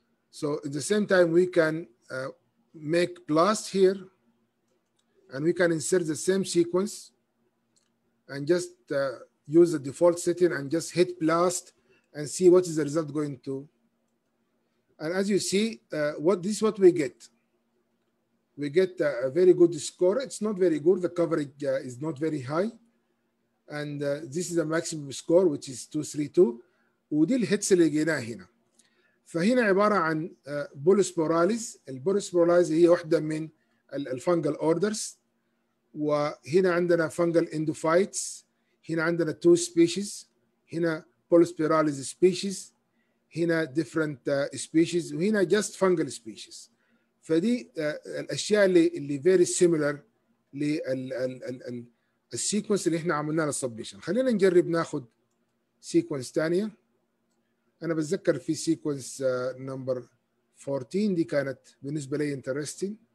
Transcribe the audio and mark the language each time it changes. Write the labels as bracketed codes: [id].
[en] So at the same time, we can make blast here, and we can insert the same sequence and just use the default setting and just hit blast and see what is the result going to. And as you see, this is what we get. We get a very good score. It's not very good. The coverage is not very high. And this is the maximum score, which is 232. [ar] ودي الهيتس اللي جينا هنا. فهنا عبارة عن بولس بوراليس. البولس بوراليس هي واحدة من الفنجل أوردرز. وهنا عندنا فنجل إندوفايتس. هنا عندنا [en] Two species. [ar] هنا [en] polyspirales species, هنا different species, [ar] وهنا [en] just fungal species. [ar] فدي الأشياء اللي [en] very similar [ar] لل sequence اللي إحنا عملناه للsubmission. خلينا نجرب ناخد sequence تانية. أنا بتذكر في sequence number 14 دي كانت بالنسبة لي interesting.